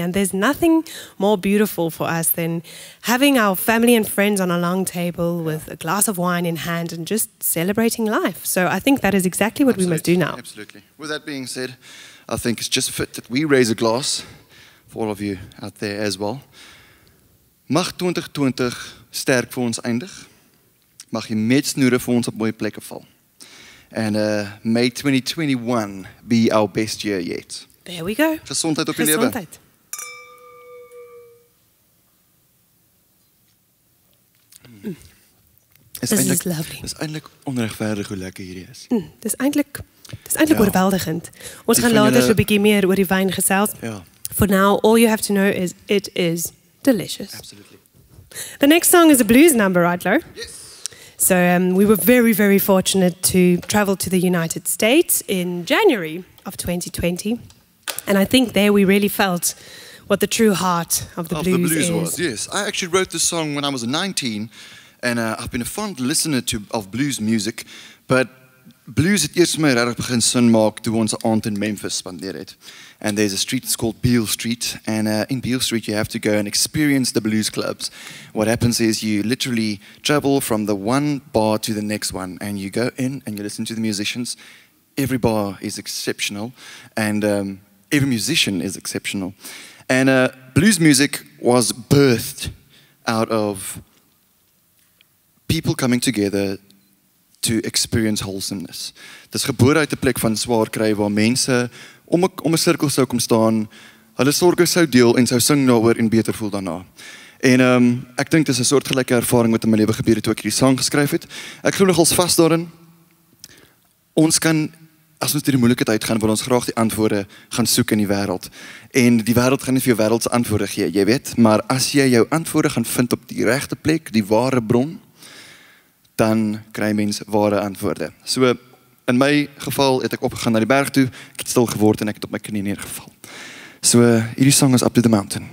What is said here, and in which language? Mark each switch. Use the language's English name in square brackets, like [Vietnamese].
[English] And there's nothing more beautiful for us than having our family and friends on a long table with a glass of wine in hand and just celebrating life. So I think that is exactly what we must do now. Absolutely. With that being said, I think it's just fit that we raise a glass for all of you out there as well. [Afrikaans] Mag 2020 sterk vir ons eindig. Mag die metsnoere vir ons op mooie plekke val. [English] And may 2021 be our best year yet. There we go. [Afrikaans] Gesondheid op die lewe. Gesondheid. [English] Is this eindelijk, is lovely. [Afrikaans] Dis eindelijk onregverdig hoe lekker hierdie is. Dis eindelijk oorweldigend. Ons gaan later so 'n bietjie meer oor die wyn gesels. Ja. [English] For now, all you have to know is it is delicious. Absolutely. The next song is a blues number, Adler. Yes. So we were very, very fortunate to travel to the United States in January of 2020. And I think there we really felt what the true heart of the blues is. Of the blues was, yes. I actually wrote this song when I was 19. And I've been a fond listener of blues music. [Afrikaans] But blues het eerst my regtig begin sin maak toe ons aand in Memphis spandeer het. [English] And there's a street, it's called Beale Street. And in Beale Street, you have to go and experience the blues clubs. What happens is you literally travel from the one bar to the next one. And you go in and you listen to the musicians. Every bar is exceptional. And every musician is exceptional. And blues music was birthed out of people coming together to experience wholesomeness. [Afrikaans] Dit is gebore uit 'n plek van swaar kry waar mense om 'n sirkel sou kom staan, hulle sorges sou deel en sou sing daaroor en beter voel daarna. En ek dink dis 'n soortgelyke ervaring wat in my lewe gebeur het toe ek hierdie sang geskryf het. Ek glo nogals vas daarin. Ons kan, as ons deur die moeilikheid uitgaan, wil ons graag die antwoorde gaan soek in die wêreld. En die wêreld gaan nie vir jou wêreldse antwoorde gee, jy weet, maar as jy jou antwoorde gaan vind op die regte plek, die ware bron, dan kry mens ware antwoorde. So, in my geval het ek opgegaan naar die berg toe, ek het stil geword en ek het op my knie neergeval. So, hierdie song is Up to the Mountain.